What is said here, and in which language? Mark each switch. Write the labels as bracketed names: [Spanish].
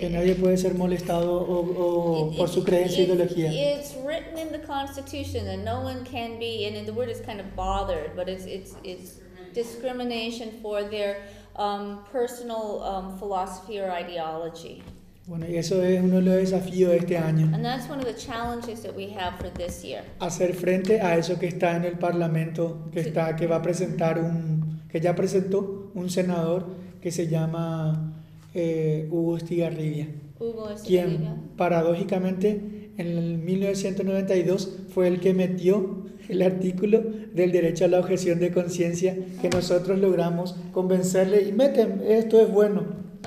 [Spanish] que nadie puede ser molestado por su creencia o ideología. [English] It's written in the Constitution that no one can be, and the word is kind of bothered, but it's discrimination for their personal philosophy or ideology. [Spanish] Bueno, y eso es uno de los desafíos de este año. [English] And that's one of the challenges that we have for this year. [Spanish] Hacer frente a eso que está en el Parlamento, que ya presentó un senador que se llama Hugo Estigarribia. Hugo Estigarribia. Quien, paradójicamente, en el 1992 fue el que metió el artículo del derecho a la objeción de conciencia que nosotros logramos convencerle y meten, esto es bueno.